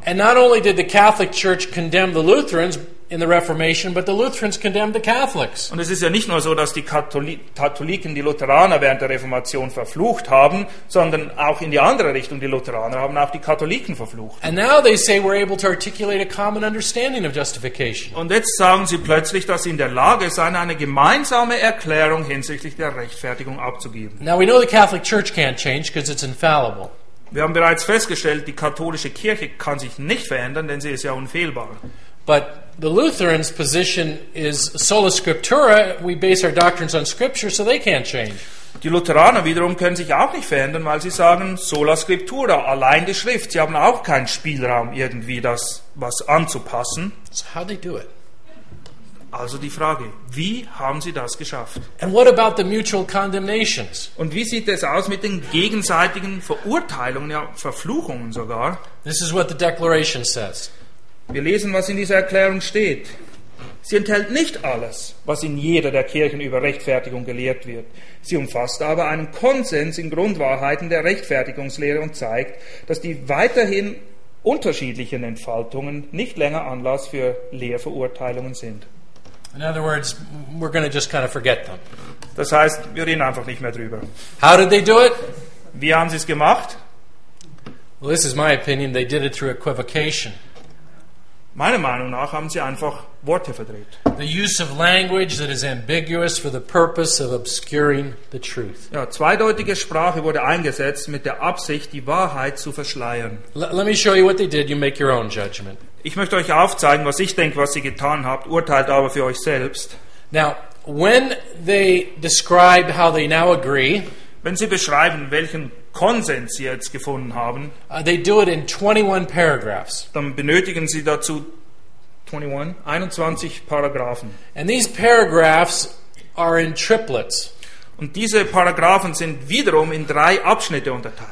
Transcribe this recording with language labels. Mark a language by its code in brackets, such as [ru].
[en] And not only did the Catholic Church condemn the Lutherans in the Reformation, but the Lutherans condemned the Catholics. [de] Und es ist ja nicht nur so, dass die Katholiken die Lutheraner während der Reformation verflucht haben, sondern auch in die andere Richtung, die Lutheraner haben auch die Katholiken verflucht. [en] And now they say we're able to articulate a common understanding of justification. [de] Und jetzt sagen sie plötzlich, dass sie in der Lage seien, eine gemeinsame Erklärung hinsichtlich der Rechtfertigung abzugeben. [en] Now we know the Catholic Church can't change because it's infallible. [de] Wir haben bereits festgestellt, die katholische Kirche kann sich nicht verändern, denn sie ist ja unfehlbar. [en] But the Lutherans' position is sola scriptura, we base our doctrines on scripture, so they can't change. [de] Die Lutheraner wiederum können sich auch nicht verändern, weil sie sagen sola scriptura, allein die Schrift. Sie haben auch keinen Spielraum, irgendwie das was anzupassen. [en] So how do they do it? [de] Also die Frage, wie haben sie das geschafft? [en] And what about the mutual condemnations? [de] Und wie sieht es aus mit den gegenseitigen Verurteilungen, ja, Verfluchungen sogar? [en] This is what the declaration says. [de] Wir lesen, was in dieser Erklärung steht. Sie enthält nicht alles, was in jeder der Kirchen über Rechtfertigung gelehrt wird. Sie umfasst aber einen Konsens in Grundwahrheiten der Rechtfertigungslehre und zeigt, dass die weiterhin unterschiedlichen Entfaltungen nicht länger Anlass für Lehrverurteilungen sind. [en] In other words, we're going to just kind of forget them. [de] Das heißt, wir reden einfach nicht mehr drüber. [en] How did they do it? [de] Wie haben sie es gemacht? [en] Well, this is my opinion, they did it through equivocation. [de] Meiner Meinung nach haben sie einfach Worte verdreht. [en] The use of language that is ambiguous for the purpose of obscuring the truth. [de] Ja, zweideutige Sprache wurde eingesetzt mit der Absicht, die Wahrheit zu verschleiern. [en] Let me show you what they did, you make your own judgment. [de] Ich möchte euch aufzeigen, was ich denke, was ihr getan habt, urteilt aber für euch selbst. [en] Now, when they describe how they now agree, [de] wenn sie beschreiben, welchen Konsens sie jetzt gefunden haben, [en] they do it in 21 paragraphs. [de] Dann benötigen sie dazu 21 Paragraphen. [en] And these paragraphs are in triplets. [de] Und diese Paragraphen sind wiederum in drei Abschnitte unterteilt.